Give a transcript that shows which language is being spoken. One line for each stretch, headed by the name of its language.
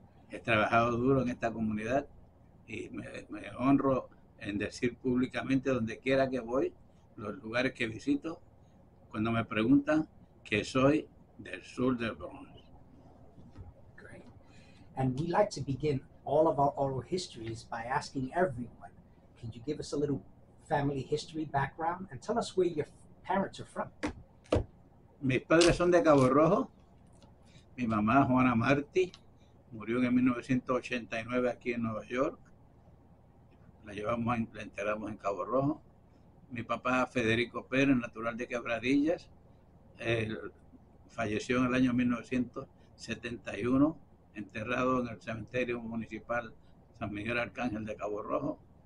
Spanish: He trabajado duro en esta comunidad y me honro en decir públicamente donde quiera que voy, los lugares que visito, cuando me preguntan que soy del sur del Bronx.
English: Great. And we like to begin all of our oral histories by asking everyone, could you give us a little family history background and tell us where your parents are from?
Spanish: Mis padres son de Cabo Rojo. Mi mamá, Juana Martí, murió en 1989 aquí en Nueva York. La enterramos en Cabo Rojo. Mi papá, Federico Pérez, natural de Quebradillas, falleció en el año 1971, enterrado en el cementerio municipal San Miguel Arcángel de Cabo Rojo.